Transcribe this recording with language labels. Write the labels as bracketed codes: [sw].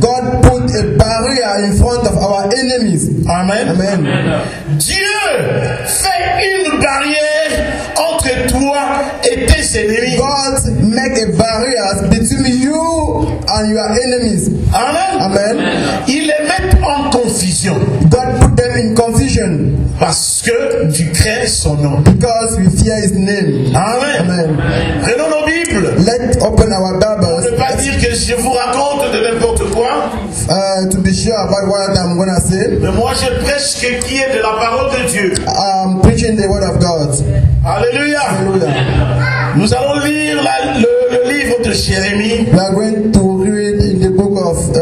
[en] God put a barrier in front of our enemies. Amen. Amen. Amen. [fr] Dieu fait une barrière entre toi et tes ennemis. [en] God make a barrier between you and your enemies. Amen. Amen. [fr] Il les met en confusion. [en] God put them in confusion. [fr] Parce que tu crains son nom. [en] Because we fear his name. Amen. Amen. [fr] Prenons nos Bibles. [en] Let's open our Bibles. [fr] Ne pas dire que je vous raconte de n'importe quoi. [en] To be sure about what I'm going to say. [fr] Mais moi je prêche ce qui est de la parole de Dieu. [en] I'm preaching the word of God. Alléluia. Alléluia. [fr] Nous allons lire le livre de Jérémie. [en] We are going to read in the book of